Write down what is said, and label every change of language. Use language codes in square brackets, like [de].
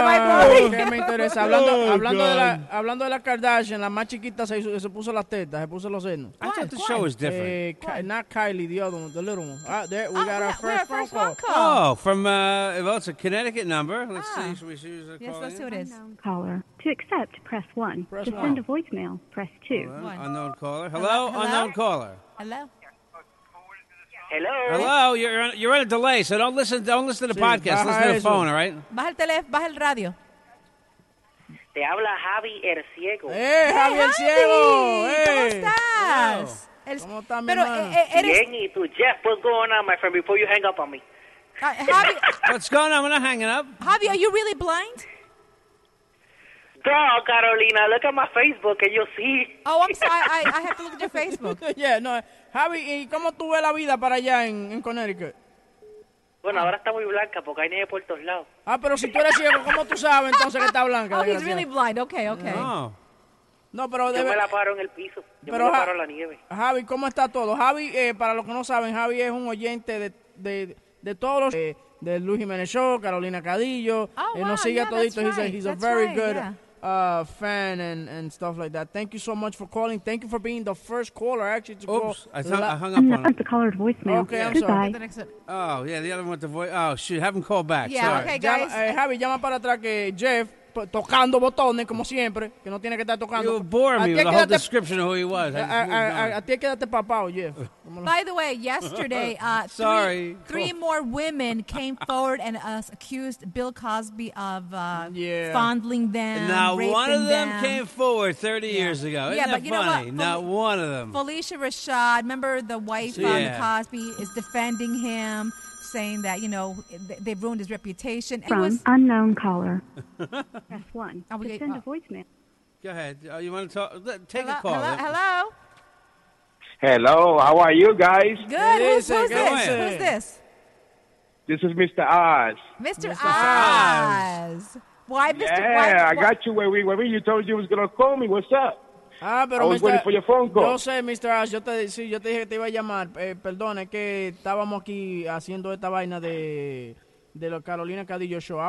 [es] Hablando de la Kardashian, la más chiquita se puso las tetas, se puso los senos. [en] I thought the show was different. Not Kylie, the other one, the little one. We got our first phone call. Oh, from, well, it's a Connecticut number. Let's see, should we see who's calling? Yes, let's see what it is. Unknown caller. To accept, press 1. Press to one. Send a voicemail, press 2. Hello. Unknown caller. Hello? Unknown caller. Hello? Hello. Hello. You're on a delay, so don't listen to the podcast. Listen to the phone, all right? [es] Baja el teléfono, baja el radio. Te habla Javi el Ciego. ¡Hey, Javi el Ciego! ¿Cómo estás? Pero eres... [en] Bien, ¿y tú, Jeff? What's going on, my friend, before you hang up on me? Javi... What's going on? We're not hanging up. Javi, are you really blind? No, Carolina, look at my Facebook and you'll see. Oh, I'm sorry. I have to look at your Facebook. Yeah, no... [es] Javi, ¿y cómo tú ves la vida para allá en Connecticut? Bueno, ahora está muy blanca porque hay nieve por todos lados. Ah, pero si tú eres ciego, ¿cómo tú sabes entonces que está blanca? [en] Oh, he's really blind. Okay. [es] No, pero yo me la paro en el piso. Yo me la paro en la nieve. Javi, ¿cómo está todo? Javi, para los que no saben, Javi es un oyente de todos los... de Luis Jiménez Show, Carolina Cadillo. [en] He's a very good fan and stuff like that. Thank you so much for calling. Thank you for being the first caller actually to Oops, call. I hung up on him. The caller's voicemail. Okay, yeah. I'm sorry. Oh, yeah, the other one with the voice. Oh, shoot, have him call back. Yeah, sorry. Okay, guys. [es] Javi, llama para atrás que Jeff, tocando botones como siempre, que no tiene que estar tocando. [en] You bore me with the whole description of who he was. [es] A ti hay que darte papao, Jeff. [en] By the way, yesterday, three more women came forward and accused Bill Cosby of fondling them. Now, one of them came forward 30 years ago. Isn't funny? You know what? Not one of them. Felicia Rashad, remember the wife of Cosby, is defending him, saying that, you know, they've ruined his reputation. From unknown caller. Press 1. Send a voicemail. Go ahead. You want to talk? Take a call. Hello? Hello, how are you guys? Good. Who's this? This is Mr. Oz. Mr. Oz. Why, Mr. Yeah, why? I got you where we you told you was going to call me. What's up? [es] Pero [en] I was waiting for your phone call. [es] Yo sé, Mr. Oz, yo te dije que te iba a llamar. Perdón, es que estábamos aquí haciendo esta vaina de la Carolina Cadillo Show.